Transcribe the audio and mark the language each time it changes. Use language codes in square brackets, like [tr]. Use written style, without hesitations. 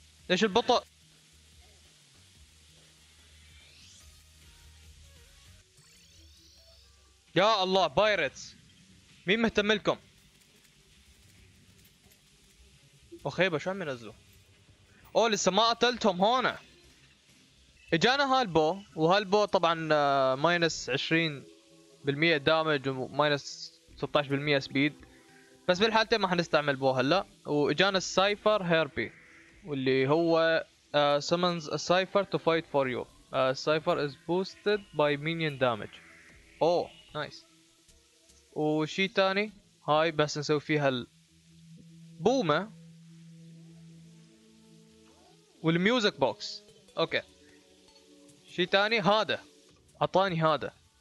[ar] ليش البطء؟ يا الله بايرتس مين مهتم لكم؟ وخيبة شو عم ينزلوا؟ او لسه ما قتلتهم هون. اجانا هالبو وهالبو طبعا ماينس 20% دامج وماينس 16% سبيد. بس بالحالتين ما حنستعمل بو هلا. واجانا السايفر هيربي واللي هو [en] summons a cypher to fight for you. Cypher is boosted by minion damage. Oh nice. [ar] وشي تاني هاي بس نسوي فيها البومة والميوزك بوكس. اوكي شي تاني هذا اعطاني هذا.